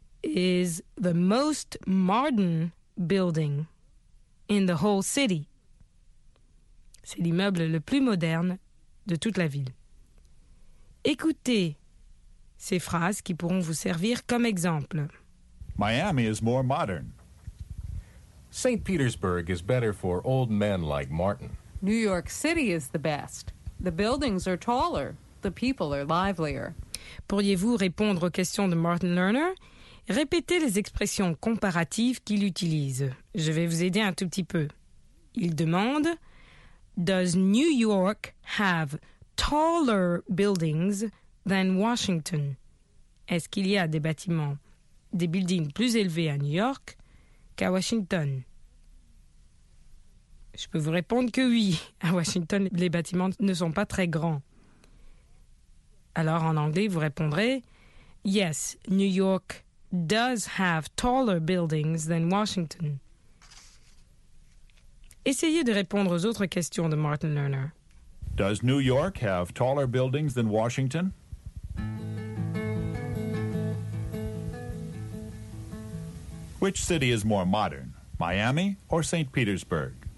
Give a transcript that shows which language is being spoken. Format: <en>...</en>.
<en>is the most modern building in the whole city.</en> <fr>C'est l'immeuble le plus moderne de toute la ville. Écoutez ces phrases qui pourront vous servir comme exemple.</fr> <en>Miami is more modern. St. Petersburg is better for old men like Martin. New York City is the best. The buildings are taller. The people are livelier.</en> <fr>Pourriez-vous répondre aux questions de Martin Lerner? Répétez les expressions comparatives qu'il utilise. Je vais vous aider un tout petit peu. Il demande,</fr> <en>Does New York have taller buildings than Washington?</en> <fr>Est-ce qu'il y a des bâtiments, des buildings plus élevés à New York qu'à Washington? Je peux vous répondre que oui. À Washington, les bâtiments ne sont pas très grands. Alors, en anglais, vous répondrez,</fr> <en>Yes, New York does have taller buildings than Washington.</en> <fr>Essayez de répondre aux autres questions de Martin Lerner.</fr> <en>Does New York have taller buildings than Washington? Which city is more modern, Miami or St. Petersburg?</en>